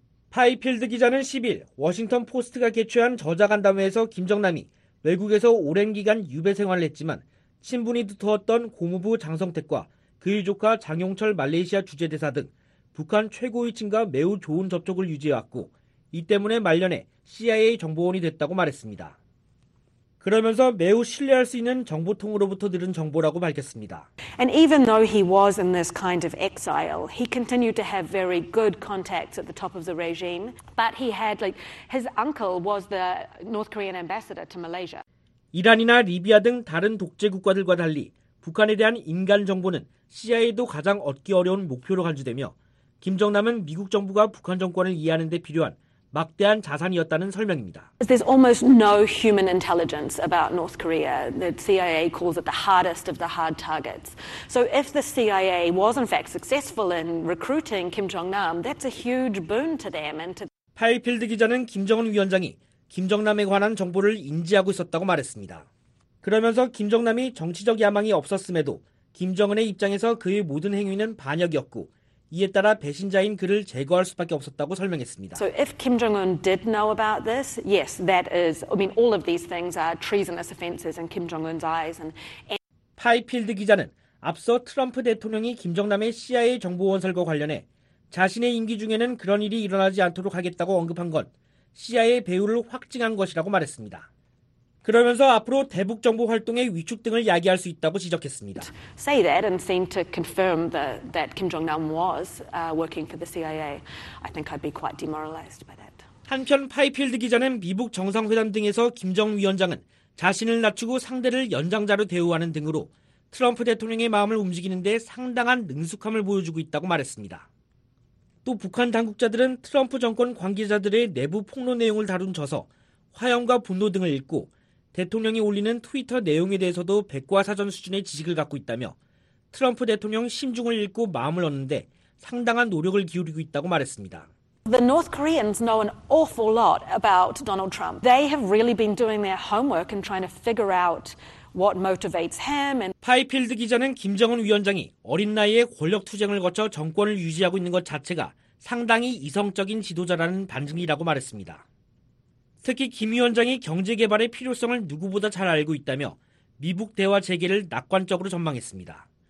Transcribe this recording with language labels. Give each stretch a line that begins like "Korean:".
Korean: 파이필드 기자는 10일 워싱턴포스트가 개최한 저자간담회에서 김정남이 외국에서 오랜 기간 유배 생활을 했지만 친분이 두터웠던 고무부 장성택과 그의 조카 장용철 말레이시아 주재대사 등 북한 최고위층과 매우 좋은 접촉을 유지해왔고 이 때문에 말년에 CIA 정보원이 됐다고 말했습니다. 그러면서 매우 신뢰할 수 있는 정보통으로부터 들은 정보라고 밝혔습니다.
English: And even though he was in this kind of exile, he continued to have very good contacts at the top of the regime. But he had like his uncle was the North Korean ambassador to Malaysia.
Korean: 이란이나 리비아 등 다른 독재 국가들과 달리 북한에 대한 인간 정보는 CIA도 가장 얻기 어려운 목표로 간주되며 김정남은 미국 정부가 북한 정권을 이해하는 데 필요한 막대한 자산이었다는 설명입니다.
English: There's almost no human intelligence about North Korea. The CIA calls it the hardest of the hard targets. So if the CIA was in fact successful in recruiting Kim Jong-nam, that's a huge boon to them and to
Korean: 파이필드 기자는 김정은 위원장이 김정남에 관한 정보를 인지하고 있었다고 말했습니다. 그러면서 김정남이 정치적 야망이 없었음에도 김정은의 입장에서 그의 모든 행위는 반역이었고 이에 따라 배신자인 그를 제거할 수밖에 없었다고 설명했습니다.
English: So if Kim Jong-un did know about this, yes, that is, I mean, all of these things are treasonous offenses in Kim Jong-un's eyes. And
Korean: 파이필드 기자는 앞서 트럼프 대통령이 김정남의 CIA 정보원 설거 관련해 자신의 임기 중에는 그런 일이 일어나지 않도록 하겠다고 언급한 건 CIA 배후를 확증한 것이라고 말했습니다. 그러면서 앞으로 대북 정보 활동의 위축 등을 야기할 수 있다고 지적했습니다.
English: Say that and seem to confirm that Kim Jong-nam was working for the CIA. I think I'd be quite demoralized by that.
Korean: 한편 파이필드 기자는 미북 정상회담 등에서 김정은 위원장은 자신을 낮추고 상대를 연장자로 대우하는 등으로 트럼프 대통령의 마음을 움직이는 데 상당한 능숙함을 보여주고 있다고 말했습니다. 또 북한 당국자들은 트럼프 정권 관계자들의 내부 폭로 내용을 다룬 저서 화염과 분노 등을 읽고 대통령이 올리는 트위터 내용에 대해서도 백과사전 수준의 지식을 갖고 있다며 트럼프 대통령 심중을 읽고 마음을 얻는데 상당한 노력을 기울이고 있다고 말했습니다.
English: The North Koreans know an awful lot about Donald Trump. They have really been doing their homework and trying to figure out what motivates him.
Korean: 파이필드 기자는 김정은 위원장이 어린 나이에 권력 투쟁을 거쳐 정권을 유지하고 있는 것 자체가 상당히 이성적인 지도자라는 반증이라고 말했습니다. 특히 김 위원장이 경제개발의 필요성을 누구보다 잘 알고 있다며 미북 대화 재개를 낙관적으로 전망했습니다.